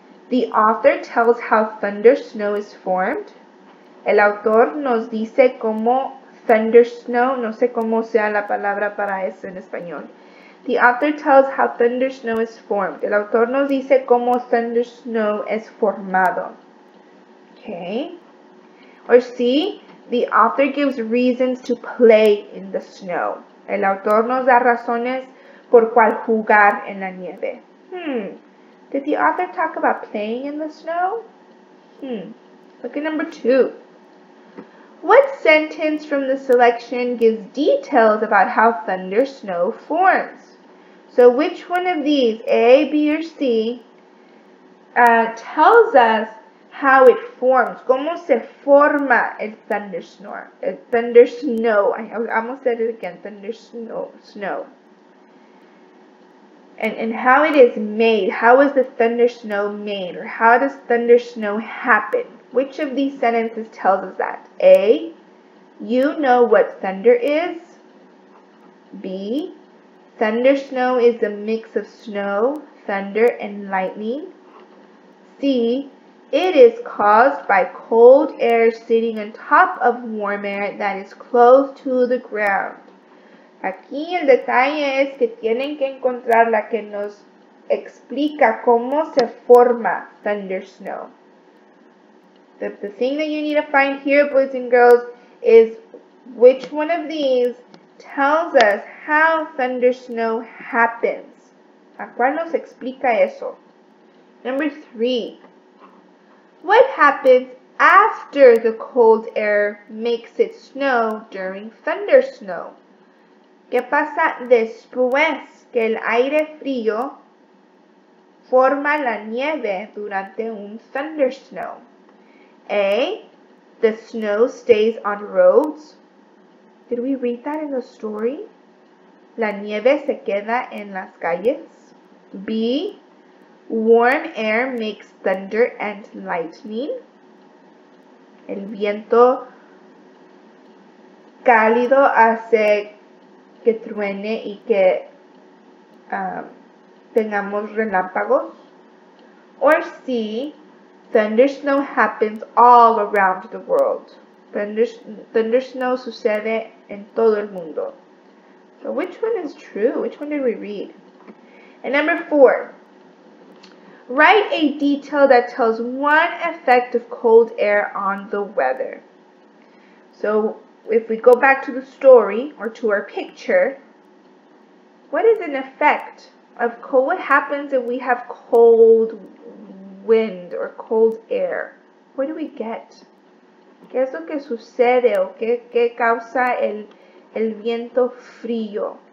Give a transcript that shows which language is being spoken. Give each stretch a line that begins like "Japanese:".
English: The author tells how thunder snow is formed.
Spanish: El autor nos dice cómo thunder snow. No sé cómo sea la palabra para eso en español.
English: The author tells how thunder snow is formed.
Spanish: El autor nos dice cómo thunder snow es formado.
English: Okay. Or C, the author gives reasons to play in the snow.
Spanish: El autor nos da razones por cuál jugar en la nieve.
English: Did the author talk about playing in the snow? Look at number two. What sentence from the selection gives details about how thunder snow forms? So which one of these, A, B, or C, tells us how it forms?
Spanish: ¿Cómo se forma el thundersnow? El thundersnow.
English: I almost said it again. Thundersnow. And how it is made. How is the thundersnow made? Or how does thundersnow happen? Which of these sentences tells us that? A, you know what thunder is. B, thundersnow is a mix of snow, thunder, and lightning. C, it is caused by cold air sitting on top of warm air that is close to the ground.
Spanish: Aquí el detalle es que tienen que encontrar la que nos explica cómo se forma thundersnow.
English: The thing that you need to find here, boys and girls, is which one of these tells us how thundersnow happens.
Spanish: ¿A cuál nos explica eso?
English: Number three. What happens after the cold air makes it snow during thundersnow?
Spanish: ¿Qué pasa después que el aire frío forma la nieve durante un thundersnow?
English: A, the snow stays on roads. Did we read that in the story?
Spanish: La nieve se queda en las calles.
English: B, warm air makes thunder and lightning.
Spanish: El viento cálido hace que truene y que tengamos relámpagos.
English: Or C, thundersnow happens all around the world.
Spanish: Thundersnow sucede en todo el mundo.
English: So which one is true? Which one did we read? And number four. Write a detail that tells one effect of cold air on the weather. So if we go back to the story or to our picture, what is an effect of cold? What happens if we have cold wind or cold air? What do we get?
Spanish: ¿Qué es lo que sucede o qué causa el viento frío?